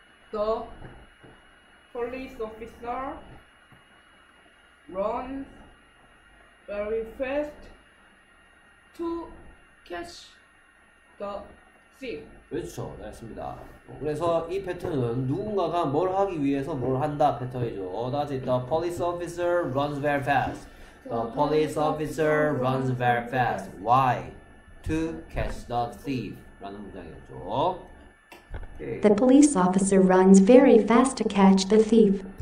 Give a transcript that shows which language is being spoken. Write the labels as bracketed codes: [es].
[en] The police officer runs very fast to catch the thief. [ko] 그렇죠. 알겠습니다. 그래서 이 패턴은 누군가가 뭘 하기 위해서 뭘 한다 패턴이죠. [en] That is the police officer runs very fast. The police officer runs very fast. Why? To catch the thief. [ko] 라는 문장이었죠. [en] Okay. The police officer runs very fast to catch the thief.